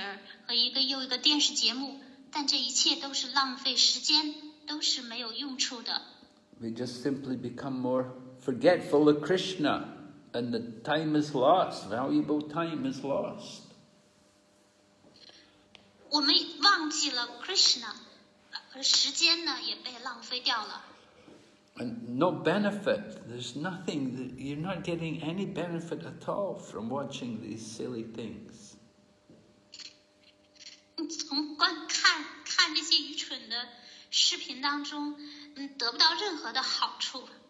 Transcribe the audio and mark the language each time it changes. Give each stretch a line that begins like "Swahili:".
Chinese: 在此之前呢，人们，我们会去电影院，或去看电视，长时间的坐在电影院或者电视之前追剧，看着一个又一个的电影和一个又一个电视节目。但这一切都是浪费时间，都是没有用处的。
English: We just simply become more forgetful of Krishna, and the time is lost. Valuable time is lost.
Chinese: 我们忘记了 Krishna, 时间呢也被浪费掉了。
English: And no benefit. There's nothing. You're not getting any benefit at all from watching these silly things.
Chinese: 从观看。看这些愚蠢的视频当中，得不到任何的好处。